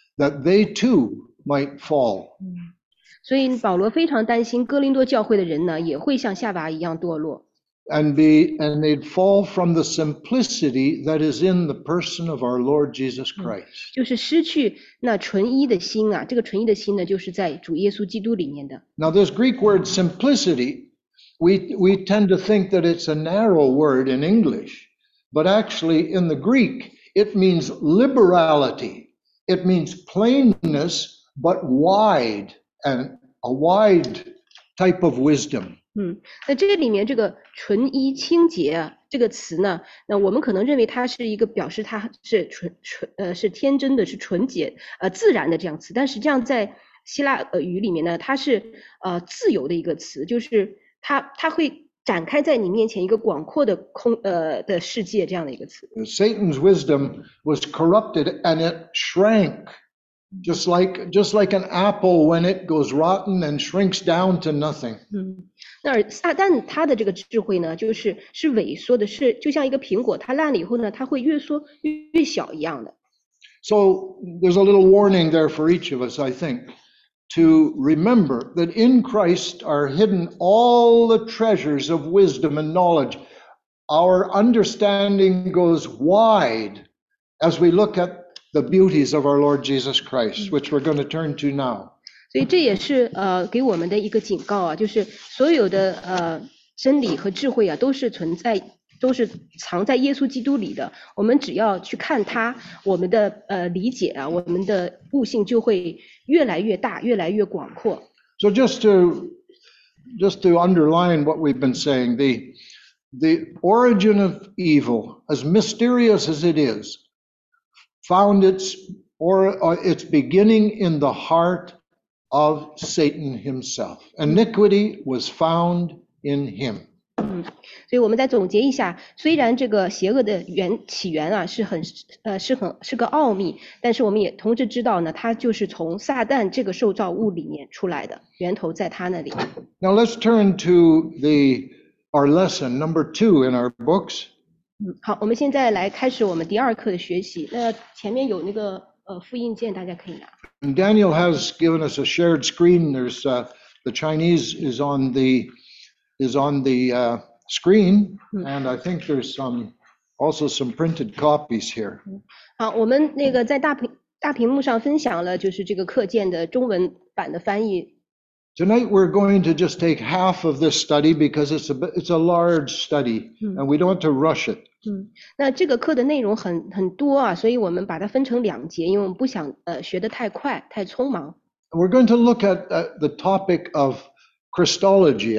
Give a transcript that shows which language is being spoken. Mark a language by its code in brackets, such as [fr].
[en] that they too might fall. [zh] 所以保罗非常担心哥林多教会的人呢也会像夏娃一样堕落。 [en] And they'd fall from the simplicity that is in the person of our Lord Jesus Christ. [zh] 就是失去那纯一的心啊，这个纯一的心呢，就是在主耶稣基督里面的。 [en] Now this Greek word simplicity, we tend to think that it's a narrow word in English, but actually in the Greek, it means liberality. It means plainness, but wide, and a wide type of wisdom. [zh] 那这里面这个纯一清洁、啊、这个词呢，那我们可能认为它是一个表示它是是天真的，是纯洁自然的这样词，但实际上在希腊语里面呢，它是自由的一个词，就是它会展开在你面前一个广阔的空的世界这样的一个词。 [en] Satan's wisdom was corrupted and it shrank, just like an apple when it goes rotten and shrinks down to nothing. [zh] 那撒旦他的这个智慧呢，就是萎缩的，是就像一个苹果，它烂了以后呢，它会越缩 越小一样的。 [en] So there's a little warning there for each of us, I think, to remember that in Christ are hidden all the treasures of wisdom and knowledge. Our understanding goes wide as we look at the beauties of our Lord Jesus Christ, which we're going to turn to now. [zh] 所以这也是给我们的一个警告啊，就是所有的真理和智慧啊，都是藏在耶稣基督里的。我们只要去看他，我们的理解啊，我们的悟性就会越来越大，越来越广阔。 [en] So just to underline what we've been saying, the origin of evil, as mysterious as it is, found its beginning in the heart. Of Satan himself, iniquity was found in him. [zh] 所以我们再总结一下，虽然这个邪恶的起源啊是个奥秘，但是我们也同时知道呢，它就是从撒旦这个受造物里面出来的，源头在他那里。 [en] Now let's turn to our lesson number two in our books. [zh] 好，我们现在来开始我们第二课的学习。那前面有那个。复印件大家可以拿。 [en] And Daniel has given us a shared screen. There's the Chinese is on the screen, and I think there's also some printed copies here. [zh] 好，我们那个在大屏幕上分享了就是这个课件的中文版的翻译。 [en] Tonight we're going to just take half of this study because it's a large study, and we don't want to rush it. [zh] 那这个课的内容很多啊，所以我们把它分成两节，因为我们不想学得太快太匆忙。 [en] We're going to look at the topic of Christology.